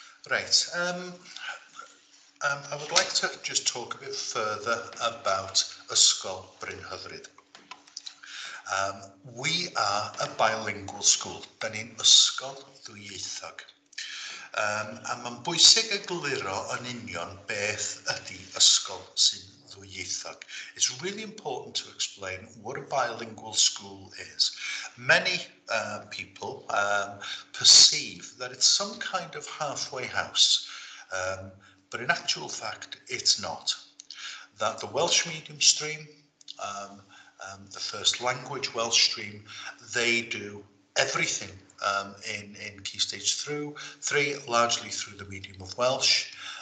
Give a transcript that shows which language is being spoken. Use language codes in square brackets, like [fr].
[en] Right, I would like to just talk a bit further about Ysgol Bryn Hyfryd. We are a bilingual school. [cy] Dan ni'n ysgol ddwyieithog. A mae'n bwysig egluro yn union beth ydy ysgol sy'n ddwyieithog. [en] It's really important to explain what a bilingual school is. Many people perceive that it's some kind of halfway house, but in actual fact, it's not. That the Welsh medium stream, the first language Welsh stream, they do everything in Key Stage 3, largely through the medium of Welsh.